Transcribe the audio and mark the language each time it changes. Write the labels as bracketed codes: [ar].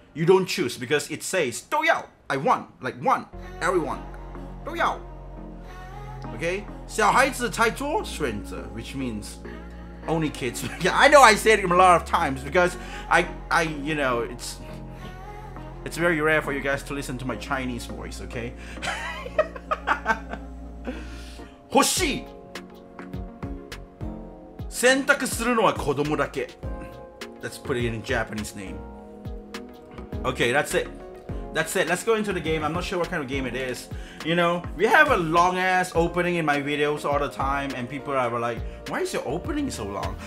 [en] You don't choose because it says, [zh] "都要, [en] I want, like one, everyone, 都要." Okay, [zh] 小孩子才做选择, [en] which means only kids. Yeah, I know I said it a lot of times because I, you know, it's very rare for you guys to listen to my Chinese voice. Okay. [ja] 欲しい選択するのは子供だけ. [en] Let's put it in a Japanese name. Okay, that's it. That's it, let's go into the game. I'm not sure what kind of game it is. You know, we have a long ass opening in my videos all the time and people are like, why is your opening so long?